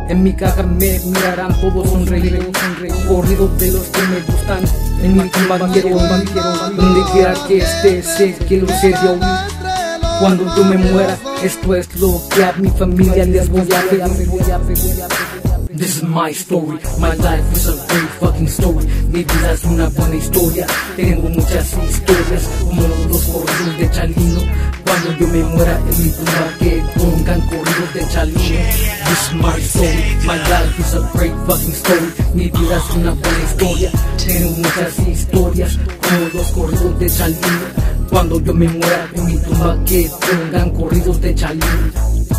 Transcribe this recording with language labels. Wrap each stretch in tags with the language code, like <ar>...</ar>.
<es>En mi caja me mirarán todos sonreír. Corridos de los que me gustan, en mi tumba quiero ir. Donde quiera que esté, sé que lo sé de oír. Cuando yo me muera, esto es lo que a mi familia les voy a pedir.</es> <en>This is my story, my life is a great fucking story.</en> <es>Mi vida es una buena historia, tengo muchas historias. Como los corridos de Chalino. Cuando yo me muera en mi tumba, que pongan corridos de Chalino.</es> <en>This is my story, my life is a great fucking story.</en> <es>Mi vida es una buena historia, tengo muchas historias. Como los corridos de Chalino. Cuando yo me muera en mi tumba, que pongan corridos de Chalino.</es>